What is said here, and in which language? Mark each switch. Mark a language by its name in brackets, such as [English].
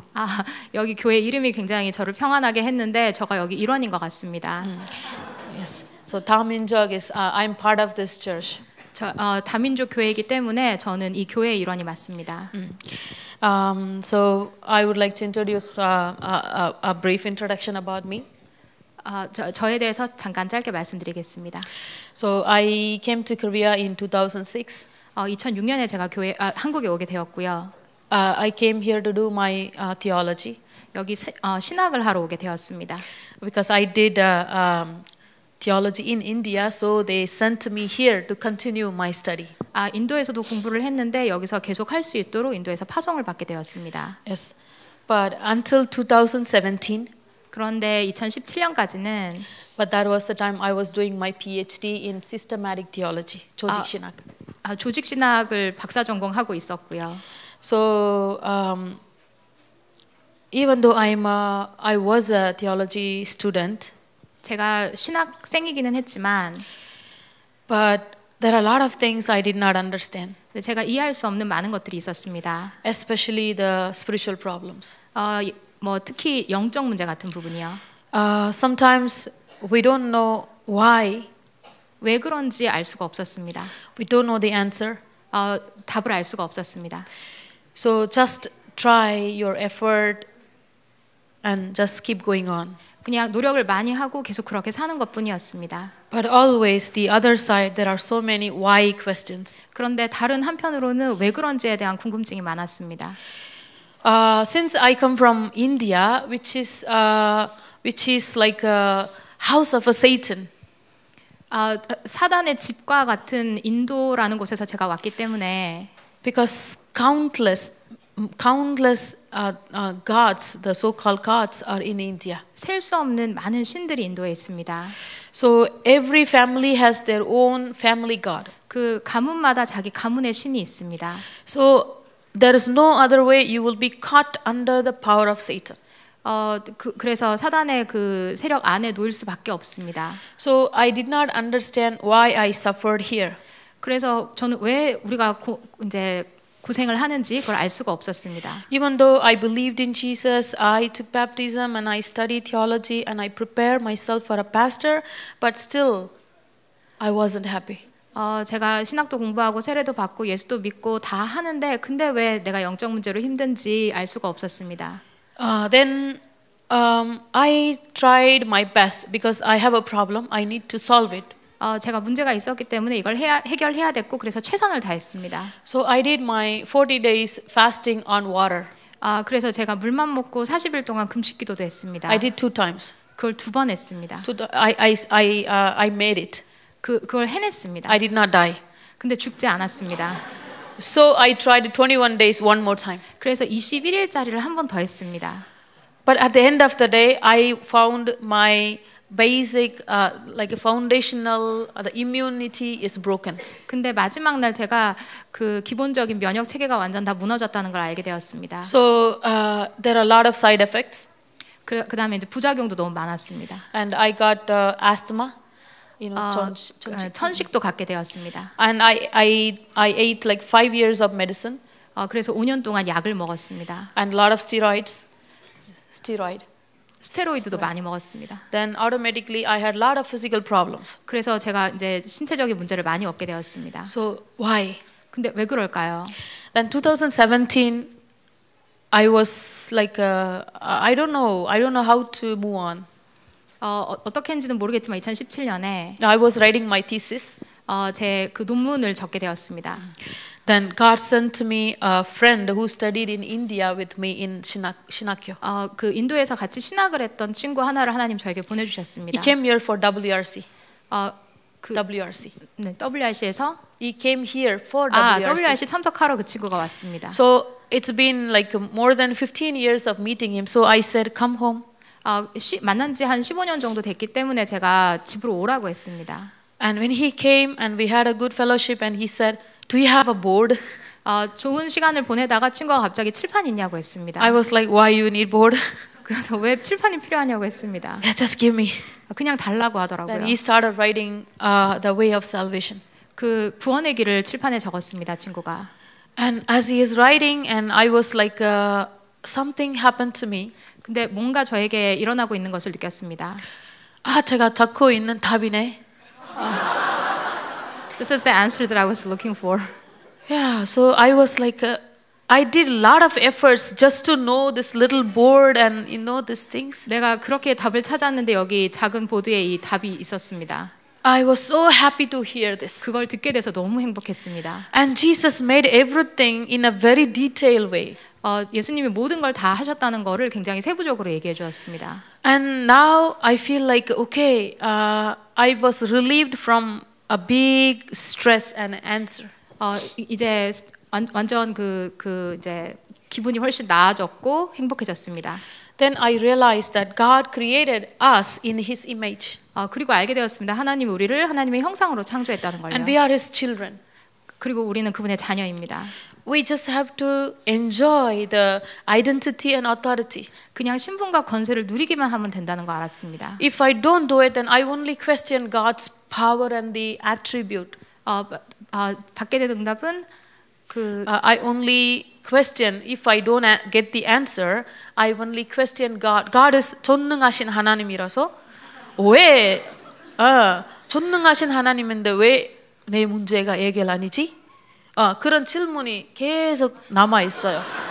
[Korean] 아, 여기 교회 이름이 굉장히 저를 평안하게 했는데 제가 여기 일원인 것 같습니다. [English] Yes. So Daminjok is I'm part of this church. [Korean] 저 다민족 교회이기 때문에 저는 이 교회의 일원이 맞습니다. [English] So I would like to introduce a brief introduction about me. [Korean] 저에 대해서 잠깐 짧게 말씀드리겠습니다. [English] So I came to Korea in 2006. [Korean] 2006년에 제가 교회 한국에 오게 되었고요. [English] I came here to do my theology. [Korean] 여기 신학을 하러 오게 되었습니다. [English] Because I did theology in India, so they sent me here to continue my study. [Korean] 아 인도에서도 공부를 했는데 여기서 계속 할 수 있도록 인도에서 파송을 받게 되었습니다. [English] Yes, but until 2017. [Korean] 그런데 2017년까지는 [English] But that was the time I was doing my PhD in systematic theology, 조직신학. [Korean] 조직신학을 박사 전공하고 있었고요. [English] So even though I was a theology student, [Korean] 제가 신학생이기는 했지만 [English] But there are a lot of things I did not understand. [Korean] 제가 이해할 수 없는 많은 것들이 있었습니다. [English] Especially the spiritual problems. [Korean] 뭐 특히 영적 문제 같은 부분이요. [English] Sometimes we don't know why. [Korean] 왜 그런지 알 수가 없었습니다. [English] We don't know the answer. [Korean] 답을 알 수가 없었습니다. [English] So just try your effort and just keep going on. [Korean] 그냥 노력을 많이 하고 계속 그렇게 사는 것뿐이었습니다. [English] But always the other side there are so many why questions. [Korean] 그런데 다른 한편으로는 왜 그런지에 대한 궁금증이 많았습니다. [English] Since I come from India, which is like a house of a Satan. [Korean] 사단의 집과 같은 인도라는 곳에서 제가 왔기 때문에. [English] Because countless gods, the so-called gods, are in India. [Korean] 셀 수 없는 많은 신들이 인도에 있습니다. [English] So every family has their own family god. [Korean] 그 가문마다 자기 가문의 신이 있습니다. [English] So There is no other way you will be caught under the power of Satan. [Korean] 그래서 사단의 그 세력 안에 놓일 수밖에 없습니다. [English] So I did not understand why I suffered here. [Korean] 그래서 저는 왜 우리가 이제 고생을 하는지 그걸 알 수가 없었습니다. [English] Even though I believed in Jesus, I took baptism and I studied theology and I prepared myself for a pastor, but still I wasn't happy. [Korean] 제가 신학도 공부하고 세례도 받고 예수도 믿고 다 하는데 근데 왜 내가 영적 문제로 힘든지 알 수가 없었습니다. [English] Then I tried my best because I have a problem. I need to solve it. [Korean] 제가 문제가 있었기 때문에 이걸 해결해야 됐고 그래서 최선을 다했습니다. [English] So I did my 40 days fasting on water. [Korean] 그래서 제가 물만 먹고 40일 동안 금식 기도도 했습니다. [English] I did two times. [Korean] 그걸 두 번 했습니다. [English] I made it. [Korean] 그걸 해냈습니다. [English] I did not die. [Korean] 근데 죽지 않았습니다. [English] So I tried 21 days one more time. [Korean] 그래서 21일짜리를 한 번 더 했습니다. [English] But at the end of the day, I found my basic like a foundational the immunity is broken. [Korean] 근데 마지막 날 제가 그 기본적인 면역 체계가 완전 다 무너졌다는 걸 알게 되었습니다. [English] So there are a lot of side effects. [Korean] 그 다음에 이제 부작용도 너무 많았습니다. [English] And I got asthma. You know, [Korean] 천식도 갖게 되었습니다. [English] And I ate like 5 years of medicine. [Korean] 그래서 5년 동안 약을 먹었습니다. [English] And a lot of steroids. Steroid. [Korean] 스테로이드도 많이 먹었습니다. [English] Then automatically I had a lot of physical problems. [Korean] 그래서 제가 이제 신체적인 문제를 많이 얻게 되었습니다. [English] So why? [Korean] 근데 왜 그럴까요? [English] Then 2017 I was like I don't know how to move on. [Korean] 어떻게 했는지는 모르겠지만 2017년에 [English] I was writing my thesis. [Korean] 제 그 논문을 적게 되었습니다. [English] Then God sent me a friend who studied in India with me in Shinakyo. [Korean] 그 인도에서 같이 신학을 했던 친구 하나를 하나님 저에게 보내주셨습니다. [English] He came here for WRC. WRC. [Korean] 네, WRC에서. [English] He came here for WRC. [Korean] WRC 참석하러 그 친구가 왔습니다. [English] So it's been like more than 15 years of meeting him. So I said, come home. [Korean] 만난 지 한 15년 정도 됐기 때문에 제가 집으로 오라고 했습니다. [English] And when he came and we had a good fellowship and he said, do you have a board? [Korean] 좋은 시간을 보내다가 친구가 갑자기 칠판 있냐고 했습니다. [English] I was like, why you need board? [Korean] 그래서 왜 칠판이 필요하냐고 했습니다. [English] Yeah, just give me. [Korean] 그냥 달라고 하더라고요. [English] Then he started writing the way of salvation. [Korean] 그 구원의 길을 칠판에 적었습니다, 친구가. [English] And as he is writing and I was like something happened to me. [Korean] 근데 뭔가 저에게 일어나고 있는 것을 느꼈습니다. 아, 제가 찾고 있는 답이네. [English] This is the answer that I was looking for. Yeah, so I was like I did a lot of efforts just to know this little board and you know these things. [Korean] 내가 그렇게 답을 찾았는데 여기 작은 보드에 이 답이 있었습니다. [English] I was so happy to hear this. [Korean] 그걸 듣게 돼서 너무 행복했습니다. [English] And Jesus made everything in a very detailed way. [Korean] 예수님이 모든 걸 다 하셨다는 거를 굉장히 세부적으로 얘기해 주었습니다. [English] And now I feel like okay, I was relieved from a big stress and answer. [Korean] 이제 완전 이제 기분이 훨씬 나아졌고 행복해졌습니다. [English] Then I realized that God created us in His image. [Korean] 그리고 알게 되었습니다. 하나님 우리를 하나님의 형상으로 창조했다는 걸요. [English] And we are His children. [Korean] 그리고 우리는 그분의 자녀입니다. [English] We just have to enjoy the identity and authority. [Korean] 그냥 신분과 권세를 누리기만 하면 된다는 거 알았습니다. [English] If I don't do it, then I only question God's power and the attribute. [Korean] 받게 된 응답은 [English] I only question if I don't get the answer. I only question God. God is [Korean] 전능하신 하나님이라서 왜 전능하신 하나님인데 왜 내 문제가 해결 아니지? 그런 질문이 계속 남아 있어요.